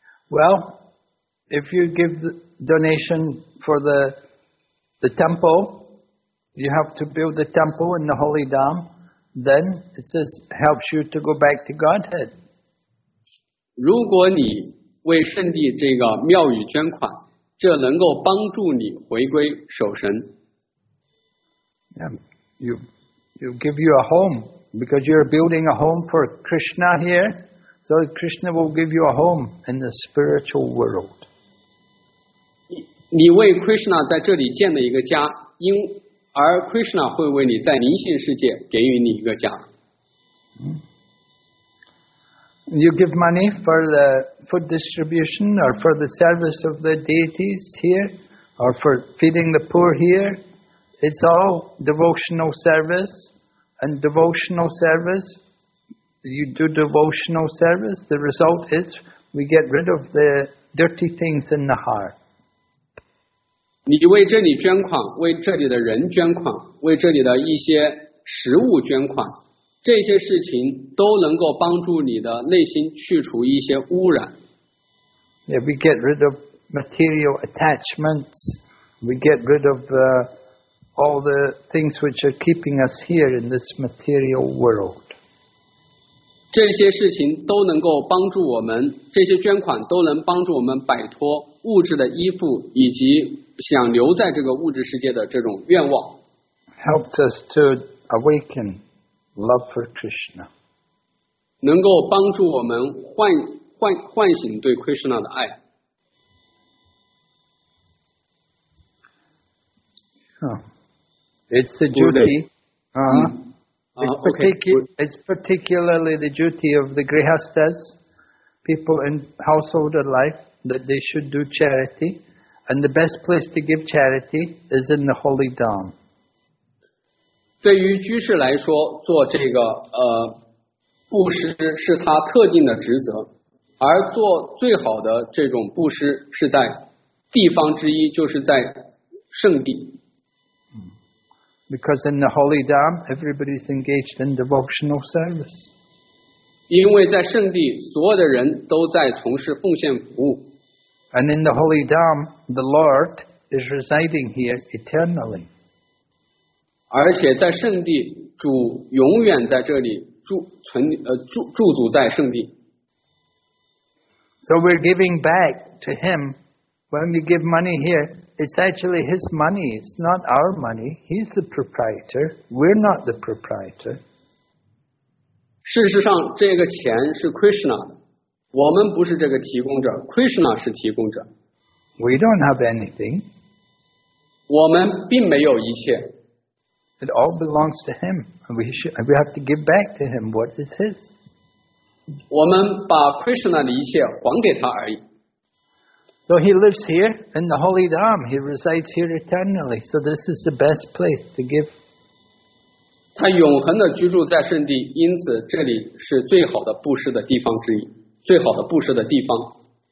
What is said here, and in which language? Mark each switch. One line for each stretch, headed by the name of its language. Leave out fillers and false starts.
English: Well, if you give the donation,For the temple, you have to build the temple in the Holy Dham. Then it says helps you to go back to Godhead.
Chinese: 如果你为圣地这个庙宇捐款，这能够帮助你回归守神。
English: You give you a home because you're building a home for Krishna here. So Krishna will give you a home in the spiritual world.
Chinese: 你为 Krishna 在这里建了一个家，而 Krishna 会为你在灵性世界给予你一个家。
English: You give money for the food distribution or for the service of the deities here or for feeding the poor here. It's all devotional service and devotional service. You do devotional service. The result is we get rid of the dirty things in the heart.
Chinese: 你为这里捐款，为这里的人捐款，为这里的一些食物捐款，这些事情都能够帮助你的内心去除一些污染。
English: Yeah, we get rid of material attachments. We get rid of all the things which are keeping us here in this material world.
Chinese: 这些事情都能够帮助我们，这些捐款都能帮助我们摆脱物质的依附以及想留在这个物质世界的这种愿望。
English: Helps us to awaken love for Krishna.
Chinese: 能够帮助我们 唤醒对 Krishna 的爱。
English: It's the duty. It's particularly the duty of the grihasthas, people in household life, that they should do charity. And the best place to give charity is in the holy dharm.
Chinese: 对于居士来说，做这个布施是他特定的职责，而做最好的这种布施是在地方之一，就是在圣地。
English: Because in the holy dharm, everybody is engaged in devotional service.
Chinese: 因为在圣地，所有的人都在从事奉献服务。
English: And in the holy dharm, the Lord is residing here eternally.
Chinese: 而且在圣地，主永远在这里驻足在圣地。
English: So we're giving back to Him when we give money here. It's actually his money, it's not our money. He's the proprietor, we're not the proprietor.
Chinese: 事实上，这个钱是 Krishna 的，我们不是这个提供者， Krishna 是提供者。
English: We don't have anything.
Chinese: 我们并没有一切。
English: It all belongs to him. We have to give back to him what is his.
Chinese: 我们把 Krishna 的一切还给他而已。
English: So he lives here in the holy dharm. He resides here eternally. So this is the best place to give.
Chinese: 他永恒的居住在圣地，因此这里是最好的布施的地方之一，最好的布施的地方。